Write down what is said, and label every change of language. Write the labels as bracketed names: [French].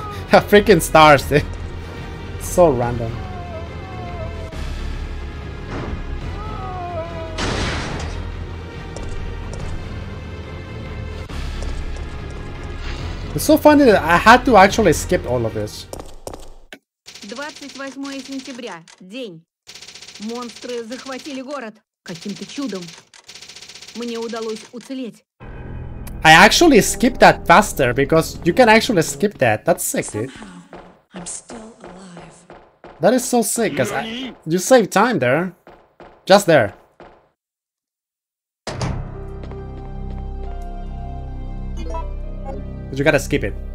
[English] Freaking stars, dude. So random. It's so funny that I had to actually skip all of this. [Russian] 28 сентября, день. Монстры захватили город каким-то чудом. Мне удалось уцелеть. [English] I actually skipped that faster because you can actually skip that. That's sick, dude. Somehow, I'm still alive. That is so sick because you save time there. Just there. But you gotta skip it.